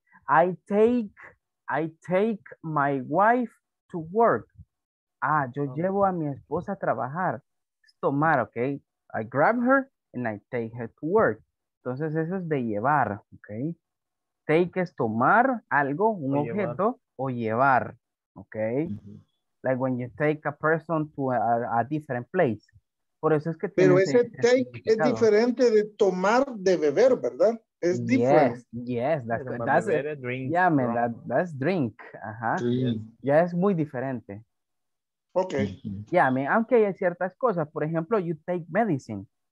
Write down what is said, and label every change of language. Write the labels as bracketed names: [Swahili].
[English] I take my wife to work. [Spanish] Ah, yo llevo a mi esposa a trabajar. Es tomar, [English] ¿ok? I grab her. And I take her to work. [Spanish] Entonces, eso es de llevar, ¿ok? Take es tomar algo, un objeto, o llevar, ¿ok? Uh-huh. [English] Like when you take a person to a different place. [Spanish] Por eso es que pero ese take es diferente de tomar de beber, ¿verdad? Es [English] yes, diferente. Yes, that's a drink. Yeah, man, that's drink. Ajá. [Spanish] Ya es muy diferente. Ok. Yeah, man, aunque hay ciertas cosas. Por ejemplo, [English] you take medicine.